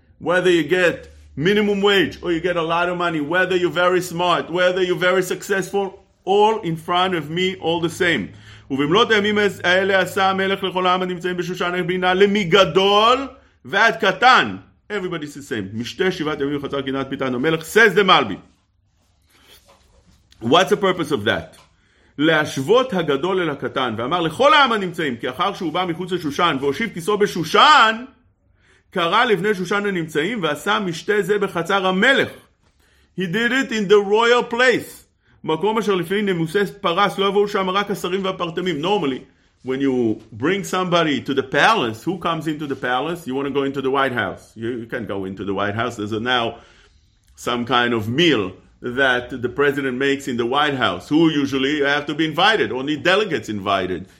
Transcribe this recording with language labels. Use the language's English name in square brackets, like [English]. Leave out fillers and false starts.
[English] Whether you get minimum wage or you get a lot of money, whether you're very smart, whether you're very successful, all in front of me, all the same. [Hebrew] ובמלות הימים האלה עשה המלך לכל העם הנמצאים בשושן הבינה, למי גדול ועד קטן. [English] Everybody is the same. [Hebrew] משתי שבעת ימים חצר קינת ביתן המלך, [English] says the Malbi. What's the purpose of that? [Hebrew] להשוות הגדול אל הקטן, ואמר לכל העם הנמצאים, כי אחר שהוא בא מחוץ לשושן והושיב כיסו בשושן, קרא לבני שושן הנמצאים ועשה משתי זה בחצר המלך. [English] He did it in the royal place. [Hebrew] מקום אשר לפי נמוסס פרס, לא יבואו שם רק השרים והפרטמים. [English] Normally, when you bring somebody to the palace, who comes into the palace? You want to go into the White House. You can't go into the White House. There's now some kind of meal that the president makes in the White House. Who usually you have to be invited? Only delegates invited.